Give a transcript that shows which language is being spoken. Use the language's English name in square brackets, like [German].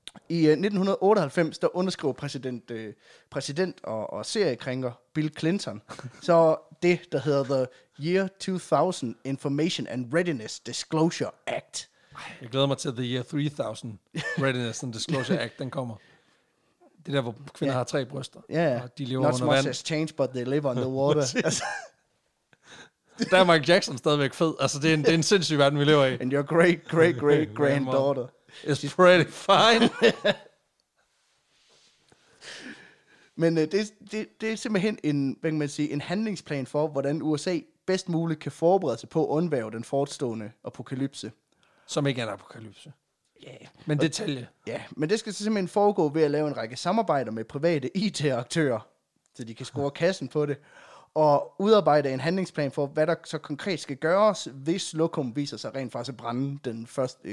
[Danish] I 1998, der underskrev præsident og seriekrænker Bill Clinton, så det, der hedder The Year 2000 Information and Readiness Disclosure Act. Jeg glæder mig til The Year 3000 Readiness and Disclosure Act, den kommer. Det der, hvor kvinder har tre bryster, og de lever under vand. [English] Not much has changed, but they live under water. [Danish] Der er Michael Jackson stadigvæk fed. Altså, det er en sindssyg verden, vi lever i. [English] And your great, great, great granddaughter. It's pretty fine. [Danish] Men det er simpelthen en, hvad kan man sige, en handlingsplan for, hvordan USA bedst muligt kan forberede sig på at undvære den forestående apokalypse. Som ikke er en apokalypse. [English] Yeah. [Danish] Men detalje. Ja, men det skal simpelthen foregå ved at lave en række samarbejder med private IT-aktører, så de kan score kassen på det, og udarbejde en handlingsplan for, hvad der så konkret skal gøres, hvis lokum viser sig rent faktisk at brænde den 1.